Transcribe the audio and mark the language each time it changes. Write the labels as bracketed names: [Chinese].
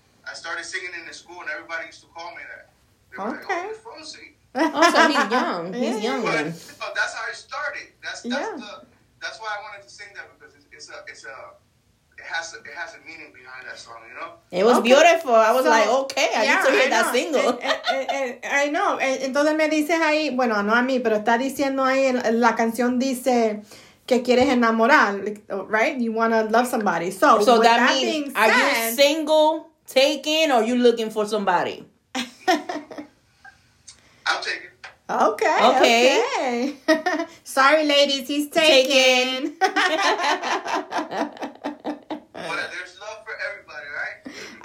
[English] I started singing in the school and everybody used to call me that. Luis Fonsi. Oh, so he's young. He's young. But, that's how I started. That's why I wanted to sing that because it's a It has a meaning behind that song, you know? It was beautiful. I was need to hear that single. I know. [Spanish] Entonces me dices ahí, bueno, no a mí, pero está diciendo ahí, la canción dice que quieres enamorar, right? [English] You want to love somebody. So that means, are you single, taken, or are you looking for somebody? I'm taken. Okay. Sorry, ladies, he's taken. There's love for everybody, right?